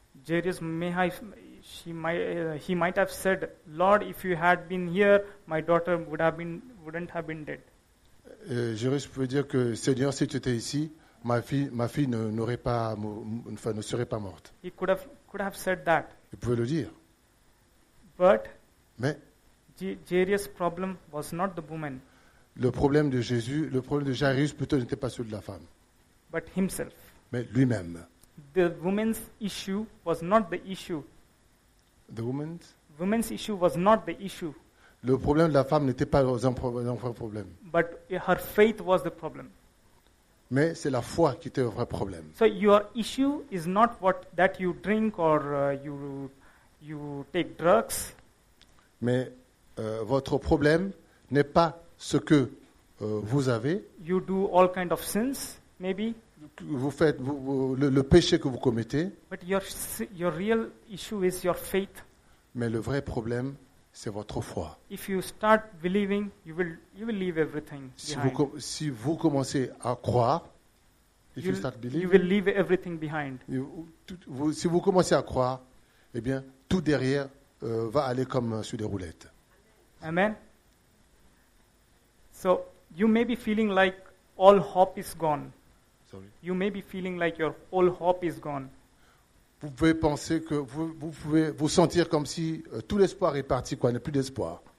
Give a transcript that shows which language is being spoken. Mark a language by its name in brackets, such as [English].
[English] Jairus he might have said, Lord, if you had been here, my daughter wouldn't have been dead. [French] Jairus pouvait dire que Seigneur, si tu étais ici, ma fille ne serait pas morte. [English] He could have said that. [French] Il pouvait le dire. [English] But. [French] Mais. [English] Jairus' problem was not the woman. [French] Le problème de Jairus plutôt n'était pas celui de la femme. [English] But himself. [French] Mais lui-même. [English] The woman's issue was not the issue. The woman's. Woman's issue was not the issue. [French] Le problème de la femme n'était pas un vrai problème. [English] But her faith was the problem. [French] Mais c'est la foi qui était le vrai problème. [English] So your issue is not what that you drink or you take drugs. [French] Mais votre problème n'est pas ce que vous avez. [English] You do all kind of sins, maybe. [French] Vous faites le péché que vous commettez. [English] But your real issue is your faith. [French] Mais le vrai problème, c'est votre foi. [English] If you start believing, you will leave everything behind. [French] Si vous commencez à croire, [English] you start believing, you will leave everything behind. [French] Si vous commencez à croire, eh bien, tout derrière va aller comme sur des roulettes. [English] Amen. So you may be feeling like all hope is gone. Sorry. You may be feeling like your all hope is gone. [French] Vous pouvez penser que vous pouvez vous sentir comme si tout l'espoir est parti, quoi, il n'y a plus d'espoir.